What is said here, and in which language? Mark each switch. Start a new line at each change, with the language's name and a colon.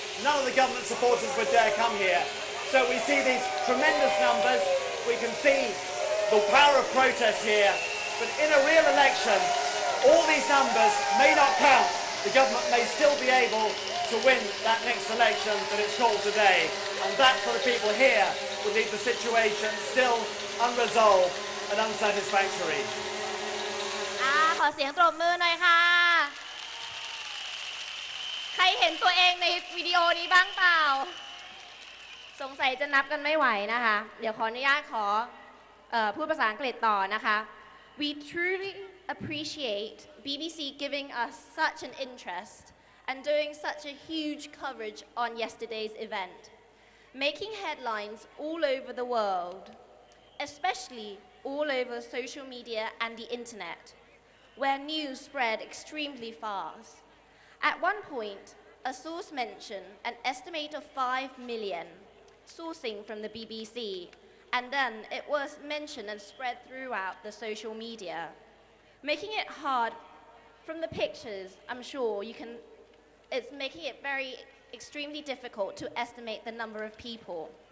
English: None of the government supporters would dare come here. So we see these tremendous numbers, we can see the power of protest here, but in a real election,All these numbers may not count. The government may still be able to win that next election that it's called today. And that, for the people here, would leave the situation still unresolved and unsatisfactory.
Thai: ขอเสียงปรบมือหน่อยค่ะใครเห็นตัวเองในวิดีโอนี้บ้างเปล่า สงสัยจะนับกันไม่ไหวนะคะเดี๋ยวขออนุญาตขอพูดภาษาอังกฤษต่อนะคะ
English: We trulyappreciate BBC giving us such an interest and doing such a huge coverage on yesterday's event, making headlines all over the world, especially all over social media and the internet, where news spread extremely fast. At one point, a source mentioned an estimate of 5 million sourcing from the BBC, and then it was mentioned and spread throughout the social media. Making it hard from the pictures, I'm sure you can, it's making it very extremely difficult to estimate the number of people.